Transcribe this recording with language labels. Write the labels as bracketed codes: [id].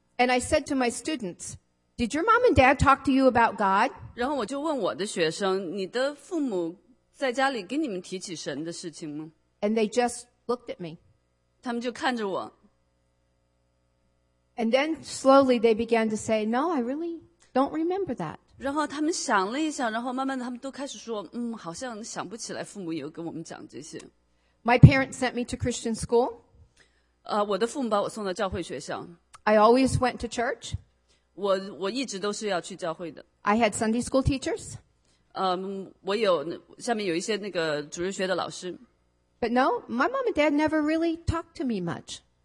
[en] And I said to my students, "Did your mom and dad talk to you about God?" [zh] 然后我就问我的学生，你的父母在家里跟你们提起神的事情吗？ [en] And they just looked at me. [zh] 他们就看着我。 [en] And then slowly they began to say, no, I really don't remember that. [zh] 然后他们想了一想，然后慢慢的他们都开始说，好像想不起来父母有跟我们讲这些。 [en] My parents sent me to Christian school. [zh] 我的父母把我送到教会学校。 [en] I always went to church. [zh] 我一直都是要去教会的。 [en] I had Sunday school teachers. [zh] 我有下面有一些那个主日学的老师。 [en] But no, my mom and dad never really talked to me much.